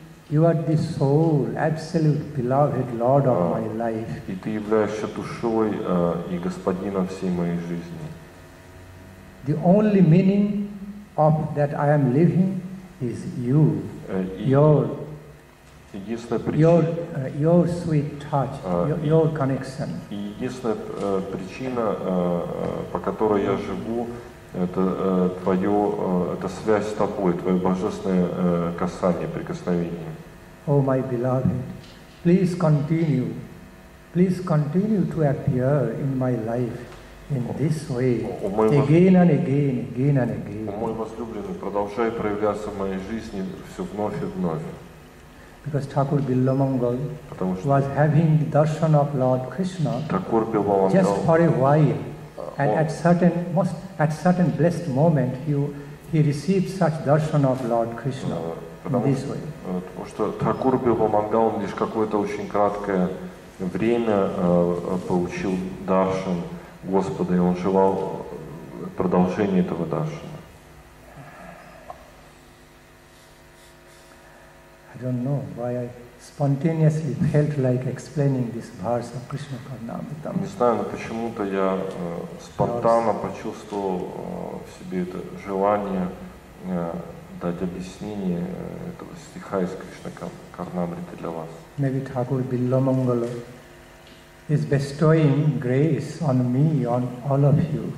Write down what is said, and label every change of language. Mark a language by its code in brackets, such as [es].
[en] You are the soul, absolute beloved Lord of my life. [ru] И ты являешься душой и господином всей моей жизни. [en] The only meaning of that I am living is you, your sweet touch, your connection. [ru] Единственная причина, по которой я живу, это твое, это связь с тобой, твое божественное касание, прикосновение. [en] О, my beloved, please continue to appear in my life in this way, again and again. [ru] О, мой возлюбленный, продолжай проявляться в моей жизни все вновь и вновь. [en] Because Thakur Billamangal was having the darshan of Lord Krishna just for a while, and at certain blessed moment he received such darshan of Lord Krishna this way. [ru] Потому что Thakur Billamangal лишь какое-то очень краткое время получил даршан Господа, и он желал продолжения этого даршана. [en] I don't know why I spontaneously felt like explaining this verse of Krishna Karnamrita. [ru] Не знаю, но почему-то я спонтанно почувствовал в себе это желание дать объяснение этого стиха из Кришна Карнамриты для вас. [en] Maybe Thakur Billamangala is bestowing grace on me, on all of you.